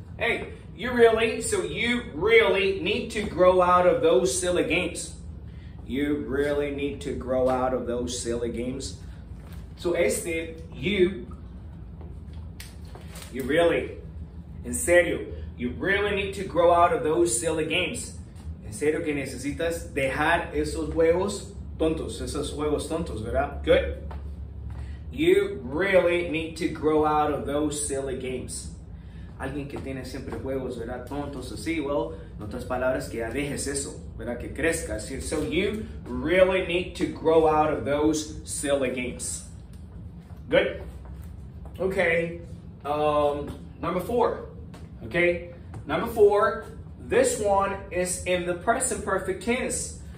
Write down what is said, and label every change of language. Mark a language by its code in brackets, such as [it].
[en] Hey, you really need to grow out of those silly games. You really need to grow out of those silly games. So este, you really, [es] en serio, [en] you really need to grow out of those silly games. [es] En serio que necesitas dejar esos juegos tontos, ¿verdad? [en] Good. You really need to grow out of those silly games. [es] Alguien que tiene siempre juegos, ¿verdad? Tontos, así, well, en otras palabras, que ya dejes eso, ¿verdad? Que crezcas. [en] So you really need to grow out of those silly games. Good. Okay. Number four. Okay. Number four. This one is in the present perfect tense.